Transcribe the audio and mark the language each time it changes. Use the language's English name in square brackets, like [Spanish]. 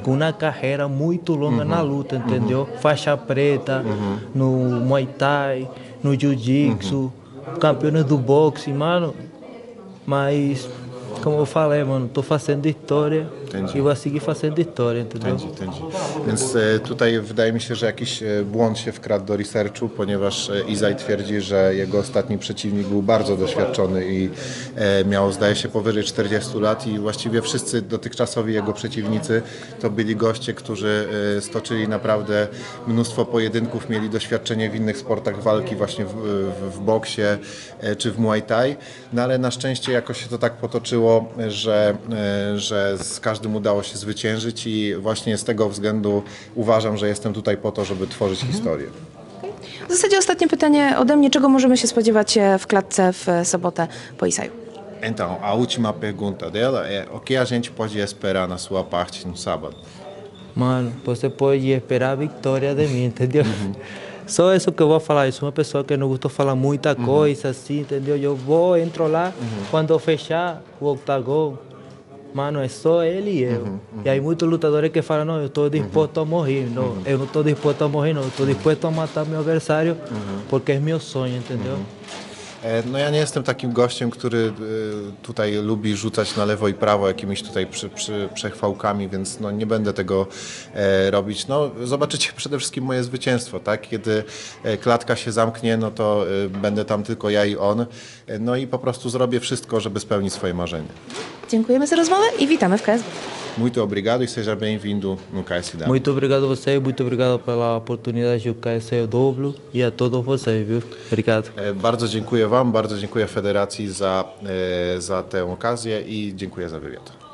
[Portuguese] com uma carreira muito longa uhum. na luta, entendeu? Uhum. Faixa preta, uhum. no Muay Thai, no Jiu-Jitsu, uhum. campeões do boxe, mano. Mas, como eu falei, mano, tô fazendo história. Entendi. E vou seguir fazendo história, entendeu? Entendi. [Polish] Więc tutaj wydaje mi się, że jakiś błąd się wkradł do researchu, ponieważ Isai twierdzi, że jego ostatni przeciwnik był bardzo doświadczony i miał, zdaje się, powyżej 40 lat i właściwie wszyscy dotychczasowi jego przeciwnicy to byli goście, którzy stoczyli naprawdę mnóstwo pojedynków, mieli doświadczenie w innych sportach walki, właśnie w boksie czy w Muay Thai, no ale na szczęście jakoś się to tak potoczyło, że z każdym udało się zwyciężyć i właśnie z tego względu uważam, że jestem tutaj po to, żeby tworzyć mhm. historię. W zasadzie ostatnie pytanie ode mnie. Czego możemy się spodziewać w klatce w sobotę po Isaiu? [Portuguese] Então, a última pergunta dela é o que a gente pode esperar na sua parte no sábado? Mano, você pode esperar a vitória de mim, entendeu? Uhum. Só isso que eu vou falar. Eu sou uma pessoa que não gosto de falar muita uhum. coisa, assim, entendeu? Eu vou, entro lá, uhum. quando eu fechar o octagon, mano, é só ele e eu. Uhum, uhum. E aí muitos lutadores que falam, não, eu estou disposto uhum. a morrer. Não, uhum. eu não estou disposto a morrer, não. Eu estou disposto a matar meu adversário uhum. porque é meu sonho, entendeu? Uhum. [Polish] No ja nie jestem takim gościem, który tutaj lubi rzucać na lewo i prawo jakimiś tutaj przechwałkami, więc no nie będę tego robić. No zobaczycie przede wszystkim moje zwycięstwo, tak? Kiedy klatka się zamknie, no to będę tam tylko ja i on. No i po prostu zrobię wszystko, żeby spełnić swoje marzenie. Dziękujemy za rozmowę i witamy w KSW. [Portuguese] Muito obrigado e seja bem-vindo no KSW. Muito obrigado a você, muito obrigado pela oportunidade do KSW e a todos vocês, viu? Obrigado. [Polish] Bardzo dziękuję wam, bardzo dziękuję federacji za tę okazję i dziękuję za wywiad.